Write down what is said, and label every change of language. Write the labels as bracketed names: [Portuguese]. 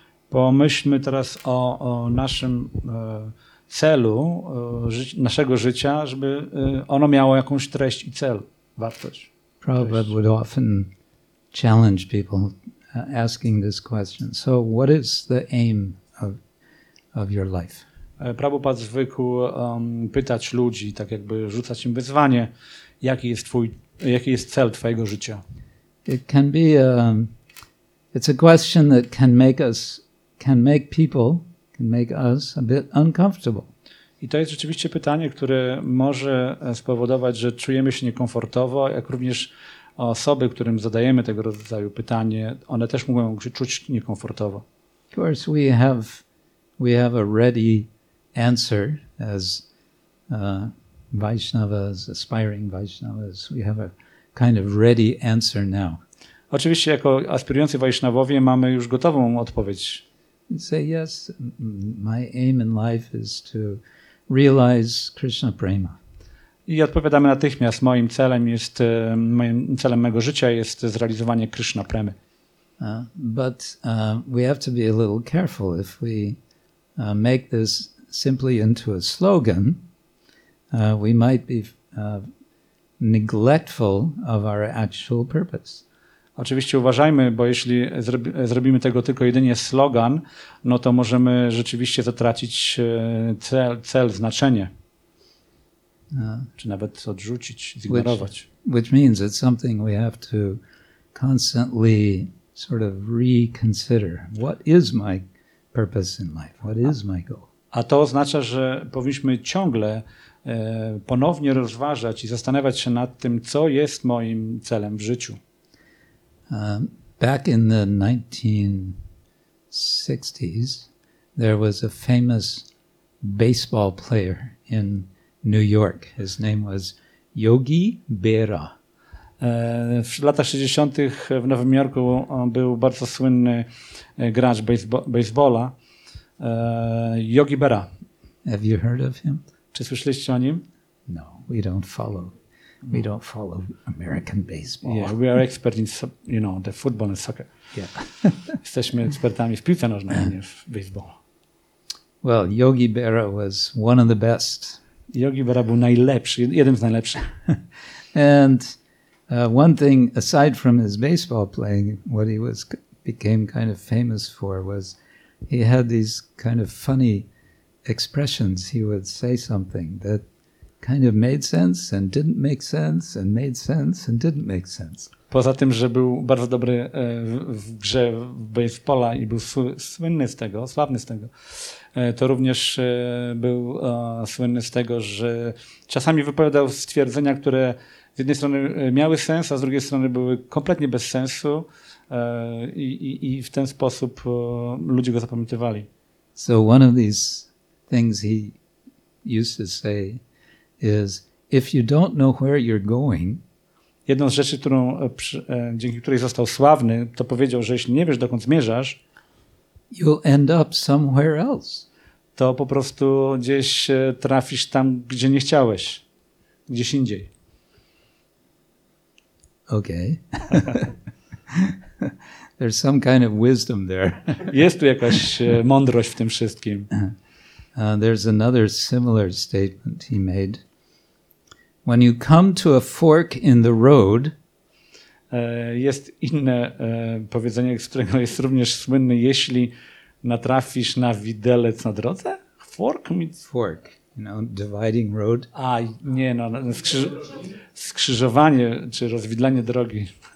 [Polish] Pomyślmy teraz o naszym celu naszego życia, żeby ono miało jakąś treść i cel, wartość. [English] Prabhupada would often challenge people asking this question. So what is the aim of your life? [Polish] Prabhupada zwykł pytać ludzi, tak jakby rzucać im wyzwanie, jaki jest cel twojego życia. [English] It can be it's a question that can make us a bit uncomfortable. [Polish] I to jest rzeczywiście pytanie, które może spowodować, że czujemy się niekomfortowo, jak również osoby, którym zadajemy tego rodzaju pytanie, one też mogą się czuć niekomfortowo. [English] Of course, we have a ready answer as Vaishnavas, aspiring Vaishnavas. We have a kind of ready answer now. [Polish] Oczywiście, jako aspirujący Vaishnavowie, mamy już gotową odpowiedź. [English] Say yes, my aim in life is to realize Krishna Prema. [Polish] I odpowiadamy natychmiast. Moim celem mego życia jest zrealizowanie Krishna Premy. [English] But we have to be a little careful. If we make this simply into a slogan, we might be neglectful of our actual purpose. [Polish] Oczywiście uważajmy, bo jeśli zrobimy tego tylko jedynie slogan, no to możemy rzeczywiście zatracić cel, znaczenie. Czy nawet odrzucić, zignorować. [English] Which means it's something we have to constantly sort of reconsider. What is my purpose in life? What is my goal? [Polish] A to oznacza, że powinniśmy ciągle ponownie rozważać i zastanawiać się nad tym, co jest moim celem w życiu. [English] Back in the 1960s, There was a famous baseball player in New York. His name was Yogi Berra. [Polish] W latach 60. W Nowym Jorku był bardzo słynny gracz baseballa, Yogi Berra. [English] Have you heard of him? [Polish] Czy słyszeliście o nim? [English] No, we don't follow. We don't follow American baseball. Yeah, we are experts in, you know, the football and soccer. Yeah. [Polish] Jesteśmy ekspertami w piłce nożnej, nie w baseball. [English] Well, Yogi Berra was one of the best. [Polish] Yogi Berra był najlepszy, jeden z najlepszych. [English] And one thing aside from his baseball playing, what he was became kind of famous for was he had these kind of funny expressions. He would say something that kind of made sense and didn't make sense and made sense and didn't make sense. [Polish] Poza tym, że był bardzo dobry w grze w baseballa i był słynny z tego, sławny z tego, to również był słynny z tego, że czasami wypowiadał stwierdzenia, które z jednej strony miały sens, a z drugiej strony były kompletnie bez sensu i w ten sposób ludzie go zapamiętywali. [English] So one of these things he used to say is, if you don't know where you're going. [Polish] Jedną z rzeczy, którą, dzięki której został sławny, to powiedział, że jeśli nie wiesz, dokąd zmierzasz, [English] you'll end up somewhere else. [Polish] To po prostu gdzieś trafisz tam, gdzie nie chciałeś, gdzieś indziej. [English] Okay. There's some kind of wisdom there. [Polish] Jest tu jakaś mądrość w tym wszystkim. [English] There's another similar statement he made. When you come to a fork in the road, [Polish] jest inne powiedzenie, z którego jest również słynny, jeśli natrafisz na widelec na drodze? [English] Fork? Fork, you know, dividing road. [Polish] A, nie, no, skrzyżowanie czy rozwidlenie drogi.